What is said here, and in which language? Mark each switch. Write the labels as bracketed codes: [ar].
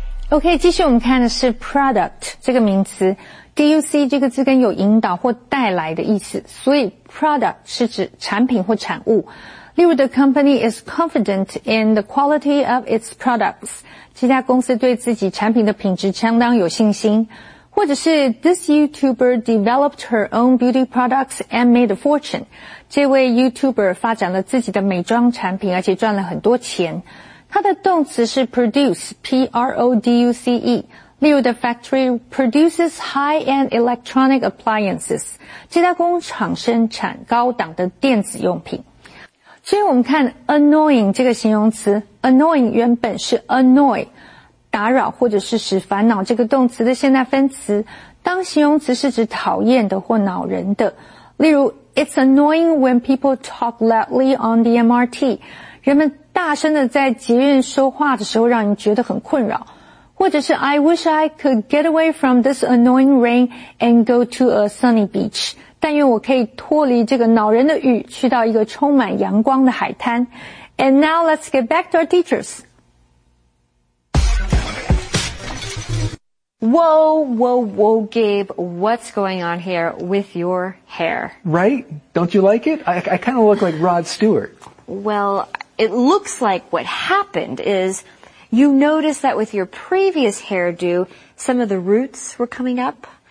[zh] Okay, 继续我们看的是 product 这个名词。DUC 这个字根有引导或带来的意思，所以 product 是指产品或产物。例如 [en] ,the company is confident in the quality of its products. [zh] 这家公司对自己产品的品质相当有信心。或者是 [en] ,this YouTuber developed her own beauty products and made a fortune. [zh] 这位 YouTuber 发展了自己的美妆产品而且赚了很多钱。它的动词是 [en] produce, P-R-O-D-U-C-E, [zh] 例如 [en] ,the factory produces high-end electronic appliances. [zh] 这家工厂生产高档的电子用品。所以我们看 annoying 这个形容词 ,annoying 原本是 annoy, 打扰或者是使烦恼这个动词的现代分词。当形容词是指讨厌的或恼人的。例如 [en] ,it's annoying when people talk loudly on the MRT. [zh] 人们大声地在捷运说话的时候让人觉得很困扰。或者是 [en] I wish I could get away from this annoying rain and go to a sunny beach. [zh] 但愿我可以脱离这个恼人的雨，去到一个充满阳光的海滩。 [en] And now let's get back to our teachers. Whoa, Gabe, what's going on here with your hair? Right? Don't you like it? I kind of look like Rod Stewart. Well, it looks like what happened is you noticed that with your previous hairdo, some of the roots were coming up.